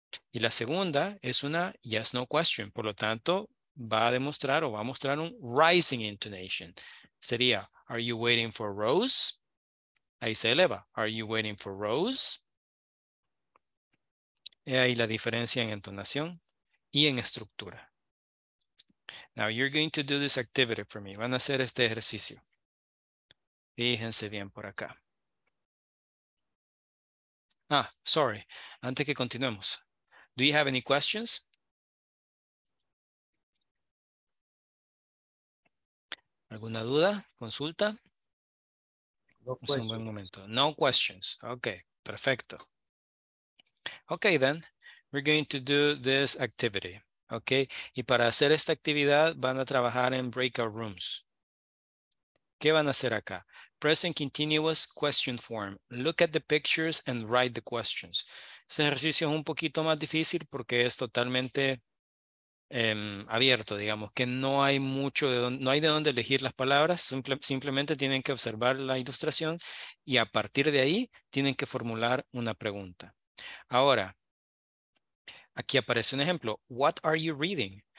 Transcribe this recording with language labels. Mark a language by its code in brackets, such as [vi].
[es] Y la segunda es una yes no question. Por lo tanto, va a demostrar o va a mostrar un rising intonation. Sería, [en] Are you waiting for Rose? [es] Ahí se eleva. [en] Are you waiting for Rose? [es] He ahí la diferencia en entonación y en estructura. [en] Now you're going to do this activity for me. [es] Van a hacer este ejercicio. Fíjense bien por acá. Ah, sorry. Antes que continuemos. [en] Do you have any questions? [es] ¿Alguna duda? ¿Consulta? [en] No questions. [es] Es un buen momento. [en] No questions. Okay, perfecto. Okay, then. We're going to do this activity. Okay. [es] Y para hacer esta actividad van a trabajar en breakout rooms. ¿Qué van a hacer acá? Present continuous question form. [en] Look at the pictures and write the questions. [es] Este ejercicio es un poquito más difícil porque es totalmente abierto, digamos, que no hay mucho de donde, no hay de dónde elegir las palabras. Simplemente tienen que observar la ilustración y a partir de ahí tienen que formular una pregunta. Ahora, aquí aparece un ejemplo. [en] What are you reading?